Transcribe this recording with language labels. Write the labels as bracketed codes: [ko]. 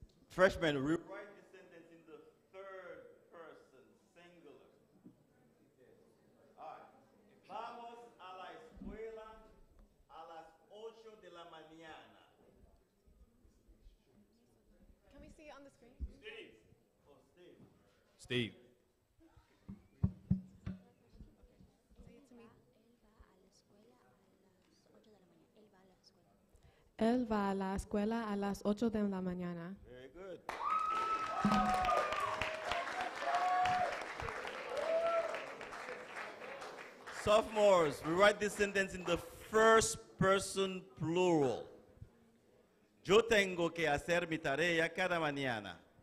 [en] Freshman, rewrite the sentence in the third person singular. [es] Vamos a la escuela a las ocho de la mañana. [en] Steve. [es] Él va a la escuela a las 8 de la mañana. [en] Very good. Sophomores, we write this sentence in the first person plural. [es] Yo tengo que hacer mi tarea cada mañana.